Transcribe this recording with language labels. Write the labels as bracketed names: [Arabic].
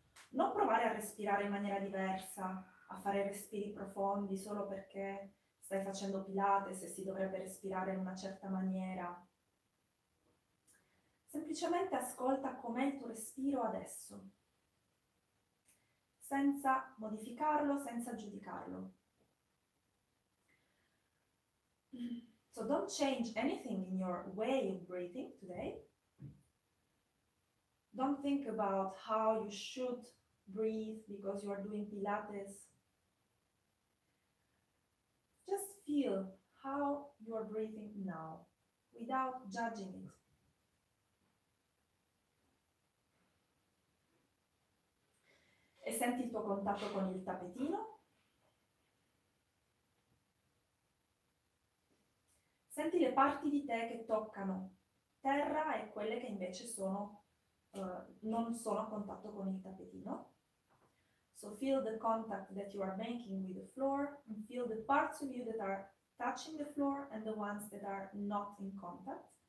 [Italian] Non provare a respirare in maniera diversa, a fare respiri profondi solo perché stai facendo Pilates e si dovrebbe respirare in una certa maniera. Semplicemente ascolta com'è il tuo respiro adesso, senza modificarlo, senza giudicarlo. [English] So don't change anything in your way of breathing today. Don't think about how you should breathe because you are doing Pilates. Just feel how you are breathing now, without judging it. [Italian] E senti il tuo contatto con il tappetino. Senti le parti di te che toccano terra e quelle che invece sono non sono a contatto con il tappetino. [English] So feel the contact that you are making with the floor and feel the parts of you that are touching the floor and the ones that are not in contact.